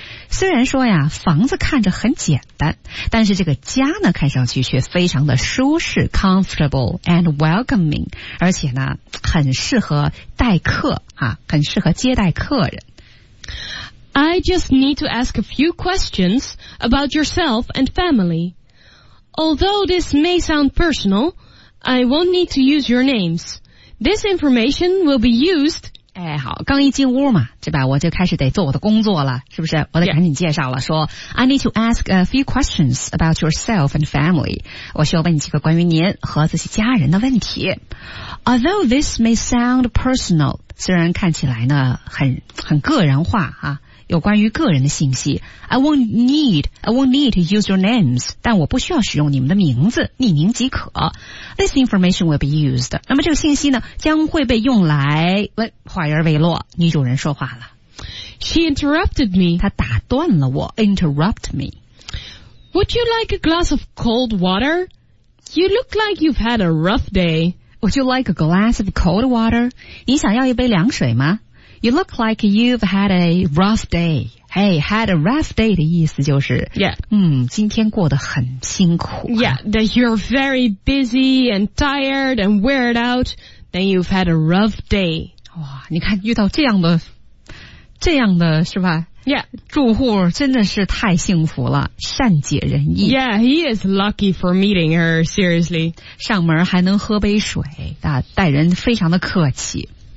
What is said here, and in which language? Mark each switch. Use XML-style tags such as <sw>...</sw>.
<zh>虽然说呀房子看着很简单，但是这个家呢看上去却非常的舒适</zh> <en>comfortable and welcoming,</en> <zh>而且呢很适合待客、啊、很适合接待客人。</zh> <en>I just need to ask a few questions about yourself and family. Although this may sound personal, I won't need to use your names. This information will be used...</en> <zh>哎，好，刚一进屋嘛，对吧，我就开始得做我的工作了，是不是？我得赶紧介绍了、</zh> <en>yeah.</en> <zh>说</zh> <en>I need to ask a few questions about yourself and family.</en> <zh>我需要问你几个关于您和自己家人的问题。</zh> <en>Although this may sound personal,</en> <zh>虽然看起来呢很个人化啊。有关于个人的信息</zh> <en>I won't need to use your names,</en> <zh>但我不需要使用你们的名字，匿名即可。</zh> <en>This information will be used.</en> <zh>那么这个信息呢将会被用来，话音未落，女主人说话了。</zh> <en>She interrupted me.</en> <zh>她打断了我。</zh> <en>Interrupt me. Would you like a glass of cold water? You look like you've had a rough day. Would you like a glass of cold water?</en> <zh>你想要一杯凉水吗？</zh> <en>You look like you've had a rough day. Hey, had a rough day</en> <zh>的意思就是</zh> <en>Yeah.</en> <zh>今天过得很辛苦、啊。</zh> <en>Yeah, that you're very busy and tired and wore out, then you've had a rough day.</en> <zh>哇，你看遇到这样的是吧</zh> <en>Yeah.</en> <zh>住户真的是太幸福了，善解人意。</zh> <en>Yeah, he is lucky for meeting her, seriously.</en> <zh>上门还能喝杯水、啊、待人非常的客气。</zh>